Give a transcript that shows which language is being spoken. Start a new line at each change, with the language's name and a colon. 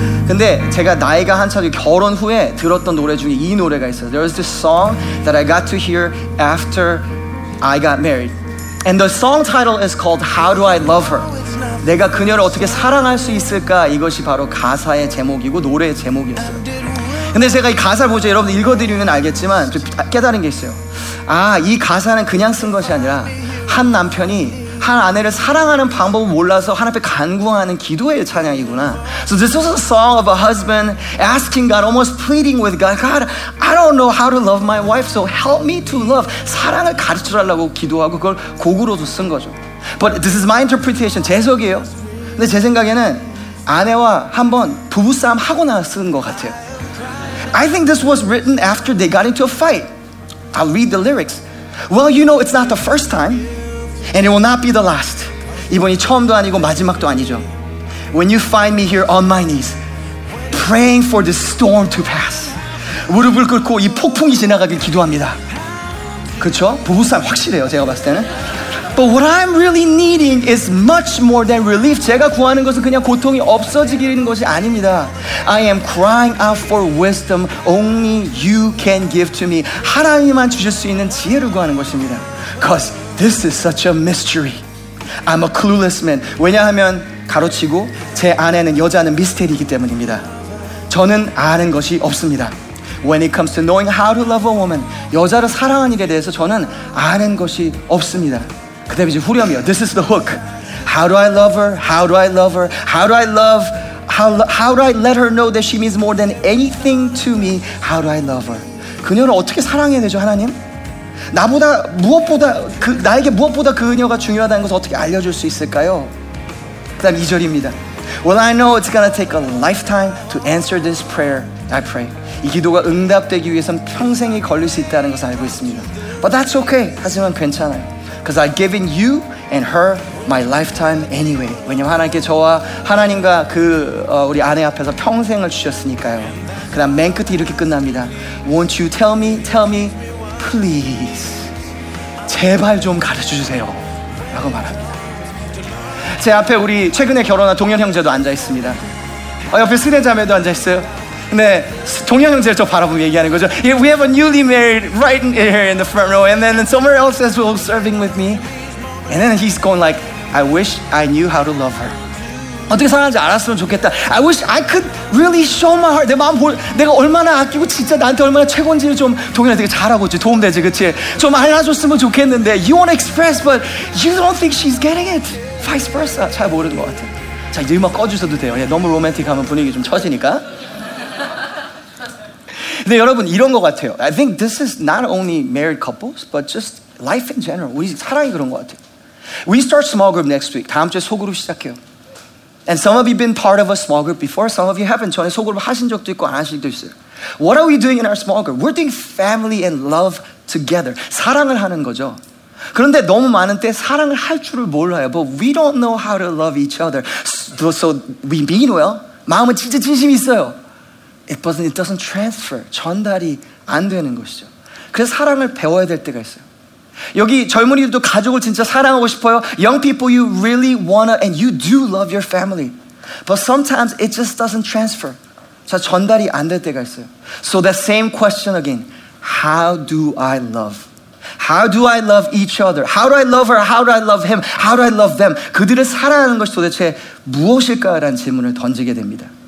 Korean: 근데 제가 나이가 한참 결혼 후에 들었던 노래 중에 이 노래가 있어요.
English: There was this song that I got to hear after I got married. And the song title is called How Do I Love Her?
Korean: 내가 그녀를 어떻게 사랑할 수 있을까? 이것이 바로 가사의 제목이고 노래의 제목이었어요. 근데 제가 이 가사를 보죠. 여러분들 읽어드리면 알겠지만 깨달은 게 있어요. 아, 이 가사는 그냥 쓴 것이 아니라 한 남편이 한 아내를 사랑하는 방법을 몰라서 하나님 앞에 간구하는 기도의 찬양이구나.
English: So this was a song of a husband asking God, almost pleading with God, God, I don't know how to love my wife, so help me to love.
Korean: 사랑을 가르쳐달라고 기도하고 그걸 곡으로도 쓴 거죠.
English: But this is my interpretation,
Korean: 제 해석이에요. 근데 제 생각에는 아내와 한번 부부싸움 하고 나서 쓴 것 같아요.
English: I think this was written after they got into a fight. I'll read the lyrics. Well, you know, it's not the first time. And it will not be the last.
Korean: 이번이 처음도 아니고 마지막도 아니죠.
English: When you find me here on my knees, praying for this storm to pass.
Korean: 무릎을 꿇고 이 폭풍이 지나가길 기도합니다. 그쵸? 부부싸움 확실해요, 제가 봤을 때는.
English: But what I'm really needing is much more than relief.
Korean: 제가 구하는 것은 그냥 고통이 없어지기는 것이 아닙니다.
English: I am crying out for wisdom only you can give to me.
Korean: 하나님만 주실 수 있는 지혜를 구하는 것입니다.
English: Because this is such a mystery. I'm a clueless man.
Korean: 왜냐하면 가로치고 제 아내는 여자는 미스테리이기 때문입니다. 저는 아는 것이 없습니다.
English: When it comes to knowing how to love a woman,
Korean: 여자를 사랑하는 일에 대해서 저는 아는 것이 없습니다. 그 다음에 이제 후렴이요.
English: This is the hook. How do I love her? How do I love her? How do I love, how do I let her know that she means more than anything to me? How do I love her?
Korean: 그녀를 어떻게 사랑해야 되죠, 하나님? 나보다 무엇보다 그 나에게 무엇보다 그녀가 중요하다는 것을 어떻게 알려줄 수 있을까요? 그 다음 2절입니다.
English: Well, I know it's gonna take a lifetime to answer this prayer. I pray.
Korean: 이 기도가 응답되기 위해서는 평생이 걸릴 수 있다는 것을 알고 있습니다.
English: But that's okay.
Korean: 하지만 괜찮아요.
English: Because I've given you and her my lifetime anyway.
Korean: 왜냐면 하나님께 저와 하나님과 그 우리 아내 앞에서 평생을 주셨으니까요. 그 다음 맨 끝이 이렇게 끝납니다.
English: Won't you tell me, please.
Korean: 제발 좀 가르쳐주세요. 라고 말합니다. 제 앞에 우리 최근에 결혼한 동현 형제도 앉아있습니다. 옆에 스네 자매도 앉아있어요. 네, 동현 형제를 저 바라보며 얘기하는 거죠.
English: Yeah, we have a newly married right here in the front row and then somewhere else as well serving with me. And then he's going like, I wish I knew how to love her.
Korean: 어떻게 사랑하는지 알았으면 좋겠다.
English: I wish I could really show my heart.
Korean: 내 마음 볼, 내가 얼마나 아끼고 진짜 나한테 얼마나 최고인지를 좀 동현이 되게 잘하고 있지. 도움되지, 그치? 좀 알려줬으면 좋겠는데.
English: You want to express, but you don't think she's getting it. Vice versa.
Korean: 잘 모르는 것 같아. 자, 이제 음악 꺼주셔도 돼요. 야, 너무 로맨틱하면 분위기 좀 처지니까. 근데 여러분 이런 것 같아요.
English: I think this is not only married couples, but just life in general.
Korean: 우리 사랑이 그런 것 같아요.
English: We start small group next week.
Korean: 다음 주에 소그룹 시작해요.
English: And some of you been part of a small group before. Some of you haven't.
Korean: 전에 소그룹 하신 적도 있고 안 하신 적도 있어요.
English: What are we doing in our small group? We're doing family and love together.
Korean: 사랑을 하는 거죠. 그런데 너무 많은 때 사랑을 할 줄을 몰라요.
English: But we don't know how to love each other. So we mean well.
Korean: 마음은 진짜 진심이 있어요.
English: It doesn't transfer.
Korean: 전달이 안 되는 것이죠. 그래서 사랑을 배워야 될 때가 있어요. 여기 젊은이들도 가족을 진짜 사랑하고 싶어요.
English: Young people, you really wanna and you do love your family. But sometimes it just doesn't transfer.
Korean: 자, 전달이 안 될 때가 있어요.
English: So the same question again. How do I love? How do I love each other? How do I love her? How do I love him? How do I love them?
Korean: 그들을 사랑하는 것이 도대체 무엇일까라는 질문을 던지게 됩니다.